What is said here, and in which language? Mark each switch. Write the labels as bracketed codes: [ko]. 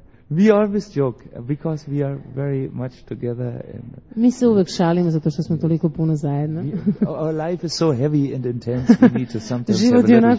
[en] We always joke because we are very much together. [sr] Mi se uvek šalimo zato što smo toliko puno zajedno. [en] Our life is so heavy and intense. We need to sometimes have a little humor.